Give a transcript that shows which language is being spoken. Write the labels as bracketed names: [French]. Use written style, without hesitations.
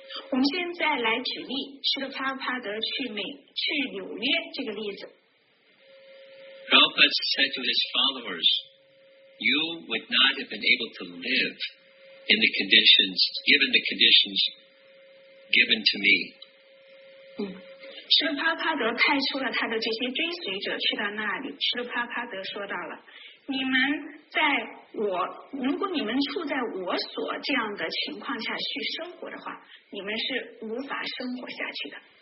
[Chinese] 我们现在来举例，释迦帕布帕德去纽约这个例子。 [English] Prabhupada said to his followers, "You would not have been able to live in the conditions given. The conditions given to me." [Chinese] 释迦帕帕德派出了他的这些追随者去到那里。释迦帕帕德说到了，你们在我如果你们处在我所这样的情况下去生活的话，你们是无法生活下去的。